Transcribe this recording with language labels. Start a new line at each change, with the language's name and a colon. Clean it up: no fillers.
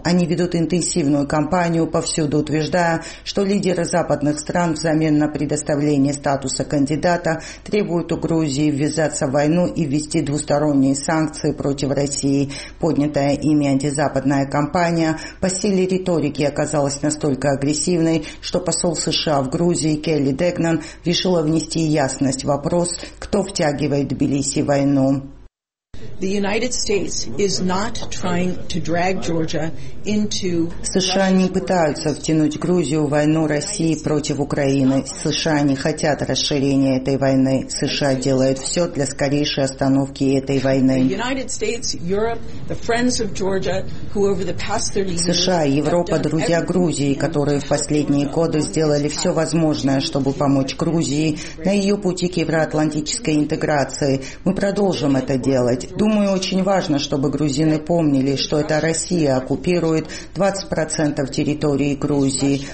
Russian: Они ведут интенсивную кампанию, повсюду утверждая, что лидеры западных стран взамен на предоставление статуса кандидата требуют у Грузии ввязаться в войну и ввести двусторонние санкции против России. Поднятая ими антизападная кампания по силе риторики оказалась настолько агрессивной, что посол США в Грузии Келли Дегнан решила внести ясность в вопрос, кто втягивает Тбилиси в войну.
English: The United States is not trying to drag Georgia into.
Russian: США не пытаются втянуть Грузию в войну России против Украины. США не хотят расширения этой войны. США делают все для скорейшей остановки этой войны.
English: The United States, Europe, the friends of Georgia, who over the past 30 years.
Russian: США, Европа, друзья Грузии, которые в последние годы сделали все возможное, чтобы помочь Грузии на ее пути к евроатлантической интеграции. Мы продолжим это делать. Думаю, очень важно, чтобы грузины помнили, что это Россия оккупирует 20% территории Грузии.